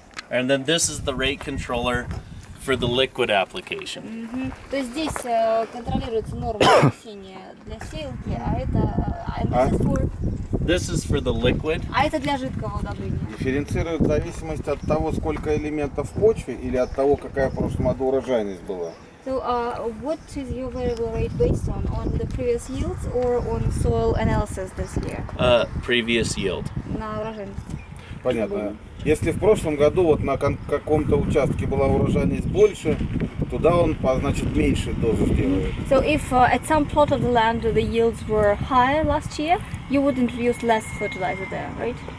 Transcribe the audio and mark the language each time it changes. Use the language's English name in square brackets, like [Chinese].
[English] And then this is the rate controller for the liquid application. [Russian] То есть здесь контролируется норма для сейлки, а это [English] This is for the liquid. [Russian] А это для жидкого удобрения. Дифференцирует в зависимости от того, сколько элементов в почве или от того, какая в прошлом году урожайность была. [English] So what is your variable rate based on the previous yield or on soil analysis this year? Previous yield. [Russian] На урожайность. Понятно. Если в прошлом году вот на каком-то участке была урожайность больше, туда он, значит, меньше дозу сделает. [English] So if at some plot of the land the yields were higher last year, you would introduce less fertilizer there, right?